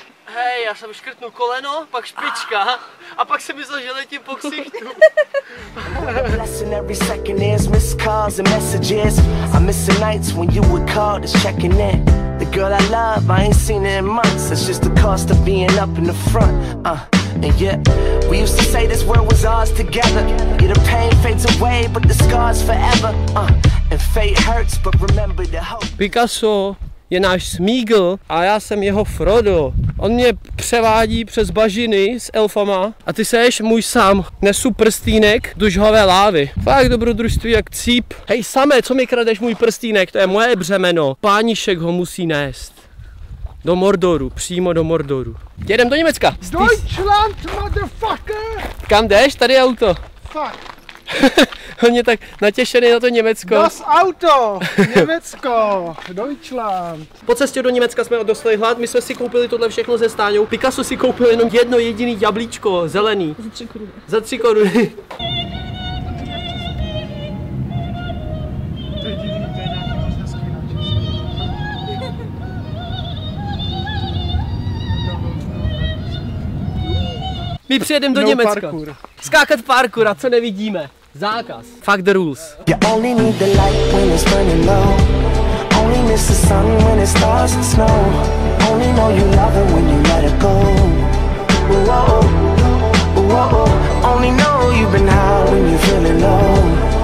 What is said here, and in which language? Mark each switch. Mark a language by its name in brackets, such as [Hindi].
[Czech] Hej, já jsem škrtnul koleno, pak špička a pak se mi zaželetím po ksichtu. [English] Blessing every second is missed calls and messages. I miss the nights when you would call just checking in. The girl I love, I ain't seen her in months. That's just the cost of being up in the front. And yeah, we used to say this world was ours together. Yeah, the pain fades away, but the scars forever. And fate hurts, but remember the hope. [Czech] Picasso je náš Smeagol a já jsem jeho Frodo. On mě převádí přes bažiny s elfama a ty seš můj sám. Nesu prstýnek do žhavé lávy. Fakt dobrodružství jak cíp. Hej Same, co mi kradeš můj prstýnek? To je moje břemeno. Pánišek ho musí nést. Do Mordoru, přímo do Mordoru. Jedem do Německa. [English] Deutschland, motherfucker! [Czech] Kam jdeš? Tady auto. [English] Fuck. [Czech] On je tak natěšený na to Německo. [German] Das Auto! [Czech] Německo! [German] Deutschland! [Czech] Po cestě do Německa jsme dostali hlad, my jsme si koupili tohle všechno ze Stáňou. Picasso si koupil jenom jedno jediný jablíčko, zelený. Za 3 koruny. Za 3 koruny. My přijedeme do Německa. Skákat parkour, a co nevidíme? Zákaz. [English] Fuck the rules. You only need the light when it's burning low. Only miss the sun when it starts to snow. Only know you love her when you let her go. Whoa, whoa, only know you've been high when you're feeling low.